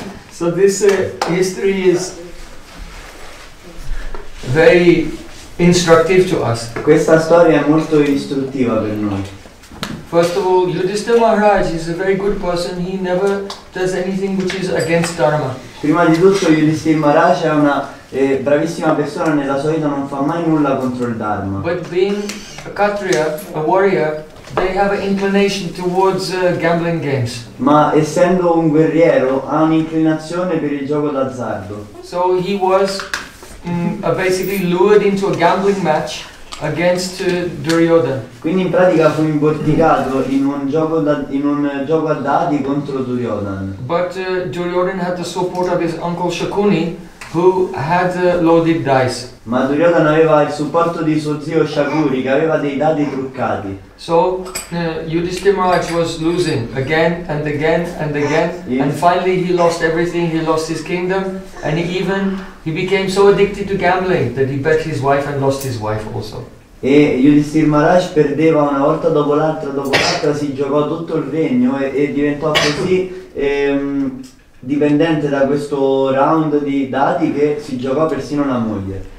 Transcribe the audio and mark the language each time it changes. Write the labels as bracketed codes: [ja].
[en] So this history is very instructive to us. [it] Questa storia è molto istruttiva per noi. [en] First of all, Yudhishthira Maharaj is a very good person. He never does anything which is against Dharma. [it] Prima di tutto, Yudhishthira Maharaj è una bravissima persona, nella sua vita non fa mai nulla contro il Dharma. [en] But being a Kshatriya, a warrior, they have an inclination towards gambling games. [it] Ma essendo un guerriero ha un'inclinazione per il gioco d'azzardo. [en] So he was basically lured into a gambling match against Duryodhana. [it] Quindi in pratica fu imbottigato in un gioco a dadi contro Duryodhana. [en] But Duryodhana had the support of his uncle Shakuni, who had loaded dice. [it] Ma Duryodhana aveva il supporto di suo zio Shakuni, che aveva dei dadi truccati. [en] So Yudhishthira Maharaj was losing again and again and again, yes. And finally he lost everything, he lost his kingdom, and he became so addicted to gambling that he bet his wife and lost his wife also. [it] E Yudhishthira Maharaj perdeva una volta dopo l'altra si giocò tutto il regno e diventò così dipendente da questo round di dadi che si giocò persino la moglie.